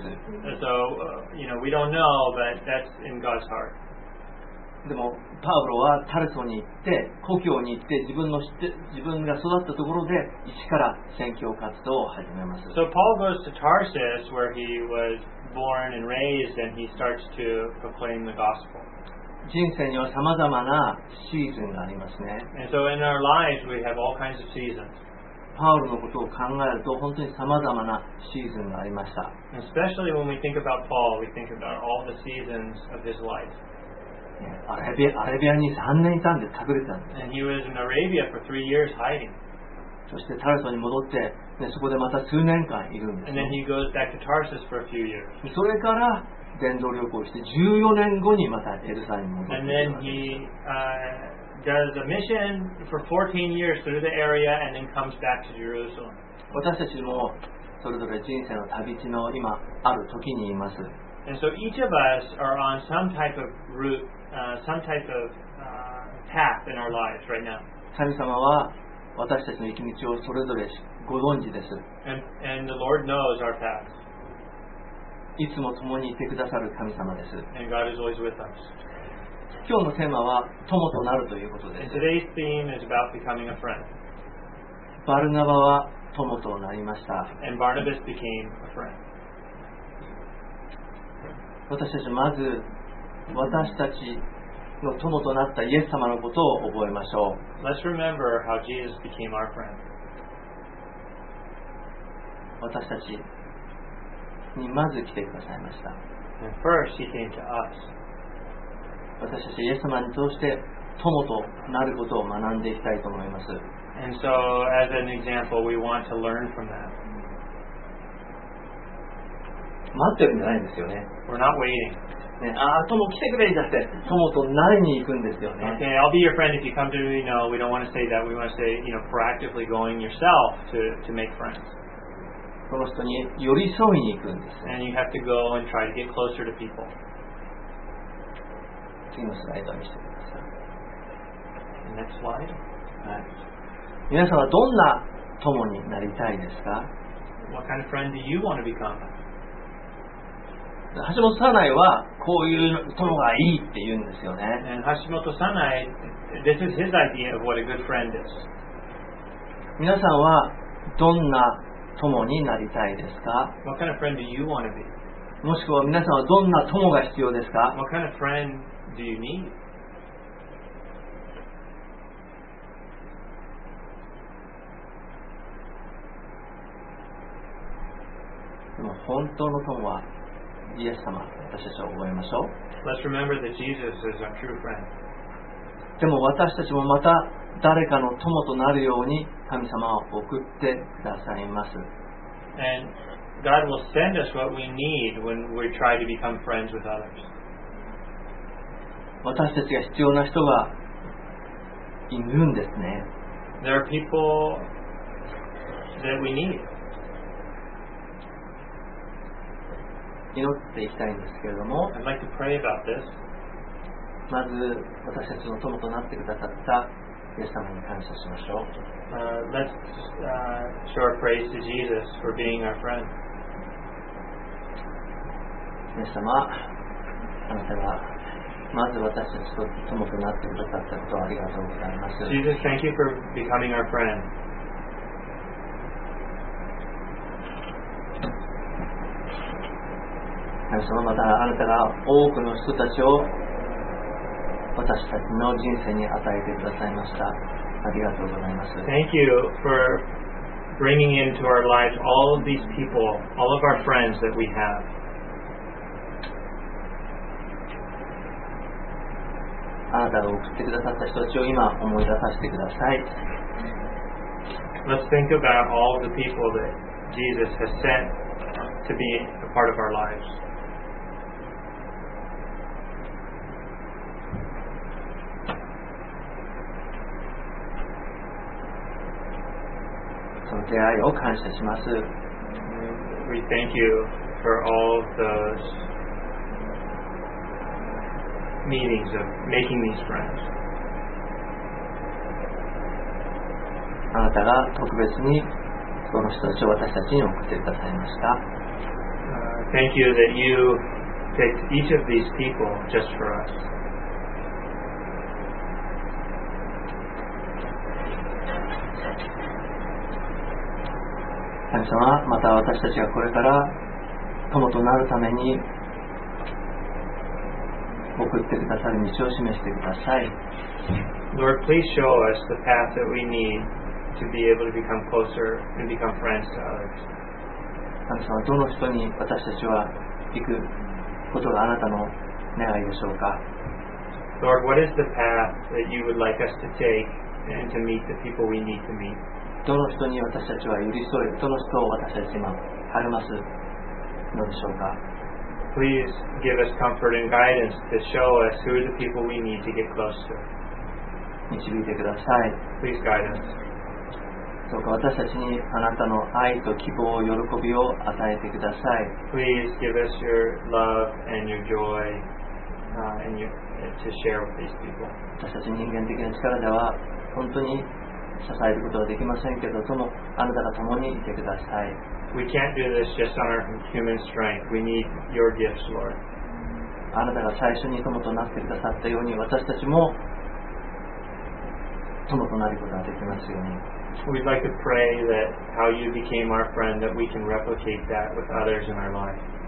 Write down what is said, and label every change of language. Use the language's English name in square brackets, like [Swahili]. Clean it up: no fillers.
[English] So, you know, we don't know, but that's in God's heart. [Japanese] でもパウロはタルソに行って故郷に行って自分の知って自分が育ったところで一から宣教活動を始めます。 [English] So Paul goes to Tarsus where he was born and raised and he starts to proclaim the gospel. [Japanese] 人生には様々なシーズンがありますね。 [English] And so in our lives we have all kinds of seasons. [Japanese] パウロのことを考えると本当に様々なシーズンがありました。 [English] Especially when we think about Paul, we think about all the seasons of his life. [Japanese] アラビアに3年いたんで隠れたんです。 [English] And he was in Arabia for 3 years hiding. [Japanese] そしてタルソに戻って、ね、そこでまた数年間いるんです、ね。 [English] And then he goes back to Tarsus for a few years. [Japanese] それから伝道旅行して14年後にまたエルサレムに戻ってきました。 [English] And then he, does a mission for 14 years through the area and then comes back to Jerusalem. [Japanese] 私たちもそれぞれ人生の旅路の今ある時にいます。 [English] And so each of us are on some type of route, some type of path in our lives right now. [Japanese] 神様は私たちの行き道をそれぞれご存知です。 [English] And the Lord knows our path. [Japanese] いつも共にいてくださる神様です。 [English] And God is always with us. [Japanese] 今日のテーマは友となるということです。 [English] And today's theme is about becoming a friend. [Japanese] バルナバは友となりました。 [English] And Barnabas became a friend. [Japanese] 私たちまず私たちの友となったイエス様のことを覚えましょう。 [English] Let's remember how Jesus became our friend. [Japanese] 私たちにまず来てくださいました。 [English] And first he came to us. [Japanese] 私たちイエス様に通して友となることを学んでいきたいと思います。 [English] And so, as an example, we want to learn from that. [Japanese] 待ってるんじゃないんですよね。 [English] We're not waiting. [Japanese] ね、ああ、友来てくれじゃって、友となりに行くんですよね。 [English] Okay, I'll be your friend if you come to me. No, we don't want to say that. We want to say, you know, proactively going yourself to make friends. [Japanese] その人に寄り添いに行くんです。 [English] And you have to go and try to get closer to people. [Japanese] 次のスライドを見せてください。 [English] Next slide. [Japanese] はい。皆さんはどんな友になりたいですか？ [English] What kind of friend do you want to become? [Japanese] 橋本早苗はこういう友がいいって言うんですよね。 [English] And 橋本早苗, this is his idea of what a good friend is. [Japanese] 皆さんはどんな友になりたいですか？ [English] What kind of friend do you want to be? [Japanese] もしくは皆さんはどんな友が必要ですか？ [English] What kind of friend? Do you need? [Japanese] 本当の友はイエス様、私たちを覚えましょう。 [English] Let's remember that Jesus is our true friend. [Japanese] でも私たちもまた誰かの友となるように神様は送ってくださいます。 [English] And God will send us what we need when we try to become friends with others. [Japanese] 私たちが必要な人がいるんですね。 [English] There are people that we need. [Japanese] 祈っていきたいんですけれども、 [English] I'd like to pray about this. [Japanese] まず私たちの友となってくださったイエス様に感謝しましょう。 [English] Let's show our praise to Jesus for being our friend. [Japanese] イエス様、あなたがまず私たちと友となってくださったことをありがとうございます。 [English] Jesus, thank you for becoming our friend. [Japanese] 神様、またあなたが多くの人たちを私たちの人生に与えてくださいました。ありがとうございます。 [English] Thank you for bringing into our lives all of these people, all of our friends that we have. [Japanese] あなたが送ってくださった人たちを今思い出させてください。 [English] Let's think about all the people that Jesus has sent to be a part of our lives. [Japanese] その出会いを感謝します。 [English] We thank you for all of those. Meetings of making these friends. [Japanese] あなたが特別にその人たちを私たちに送ってくださいました。 [English] Thank you that you picked each of these people just for us. [Japanese] 神様、また私たちがこれから友となるために送ってくださる道を示してください。 [English] Lord, please show us the path that we need to be able to become closer and become friends to others. [Japanese] 神様、どの人に私たちは行くことがあなたの願いでしょうか。 [English] Lord, what is the path that you would like us to take and to meet the people we need to meet? [Japanese] どの人に私たちは寄り添い、どの人を私たちは励ますのでしょうか。 [English] Please give us comfort and guidance to show us who are the people we need to get close to. [Japanese] 導いてください。 [English] Please guide us. [Japanese] どうか私たちにあなたの愛と希望、喜びを与えてください。 [English] Please give us your love and your joy, and your, to share with these people. [Japanese] 私たち人間的な力では本当に支えることはできませんけど、ともあなたが共にいてください。 [English] We can't do this just on our human strength. We need your gifts, Lord. [Japanese] あなたが最初に友となってくださったように、私たちも友となることができますように。 [English] We'd like to pray that how you became our friend, that we can replicate that with others in our life.